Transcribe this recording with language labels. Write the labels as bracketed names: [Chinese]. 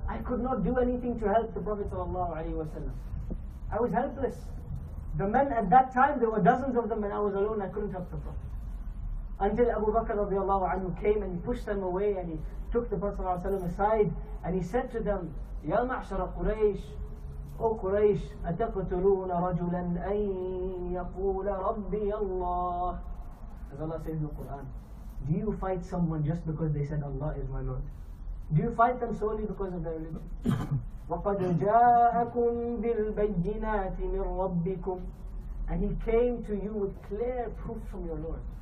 [English] I could not do anything to help the Prophet sallallahu alayhi wa sallam. I was helpless. The men at that time, there were dozens of them, and I was alone. I couldn't help the Prophet. Until Abu Bakr radiallahu anhu came and pushed them away, and he took the Prophet sallallahu alayhi wa sallam aside, and he said to them, [Arabic] يَا مَعْشَرَ قُرَيْشِ. [English] O Quraysh, [Arabic] أَتَقْتُلُونَ رَجُلًا أَن يَقُولَ رَبِّيَ اللَّهِ. [English] As Allah says in the Quran, do you fight someone just because they said Allah is my Lord? Do you fight them solely because of their religion? [Arabic] وَقَدْ جَاءَكُمْ بِالْبَيِّنَاتِ مِنْ رَبِّكُمْ. [English] And he came to you with clear proof from your Lord.